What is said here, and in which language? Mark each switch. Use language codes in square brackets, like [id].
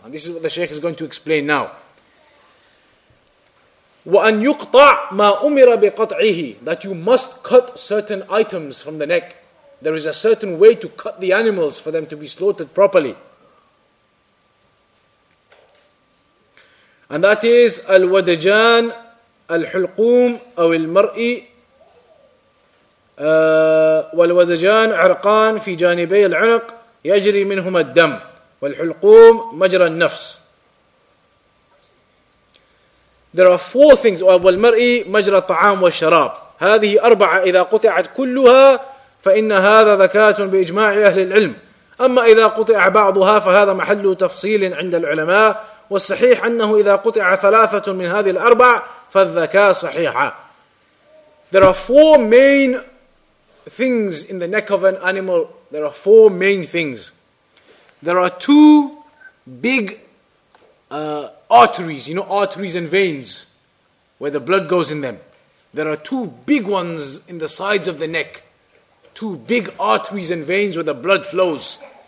[en] And this is what the Shaykh is going to explain now. [ar] وَأَنْ يُقْطَعْ مَا أُمِرَ بِقَطْعِهِ, [en] that you must cut certain items from the neck. There is a certain way to cut the animals for them to be slaughtered properly. And that is [ar] الودجان الحلقوم أو المرئي والودجان عرقان في جانبي العنق يجري منهما الدم والحلقوم مجرى النفس. [en] There are four things. [ar] والمرئي مجرى الطعام والشراب. هذه أربعة إذا قطعت كلها فإن هذا ذكاة بإجماع أهل العلم. أما إذا قطع بعضها فهذا محل تفصيل عند العلماء. والصحيح أنه إذا قطع ثلاثة من هذه الأربع فالذكاء صحيحة. [en] There are four main things in the neck of an animal. There are four main things. There are two big arteries, you know, arteries and veins, where the blood goes in them. there are two big ones in the sides of the neck. Two big arteries and veins where the blood flows.